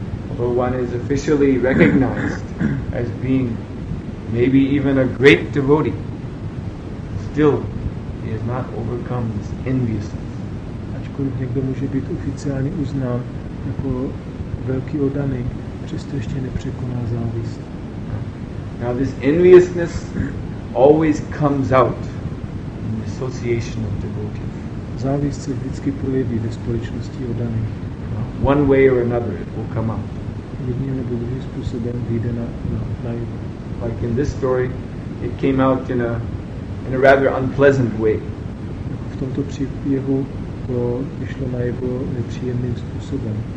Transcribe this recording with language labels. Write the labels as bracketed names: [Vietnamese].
[English] Although one is officially recognized as being maybe even a great devotee, still he has not overcome this enviousness. [Czech] Ačkoliv někdo může být oficiálně uznán jako velký oddaný, přesto ještě nepřekoná závist. [English] Now this enviousness always comes out in the association of devotees. [Czech] Závist se vždycky projeví ve společnosti oddaných. [English] One way or another it will come out. [Czech] Jedním nebo druhým způsobem vyjde na najevo. [English] Like in this story, it came out in a rather unpleasant way. [Czech] V tomto příběhu to vyšlo najevo nepříjemným způsobem.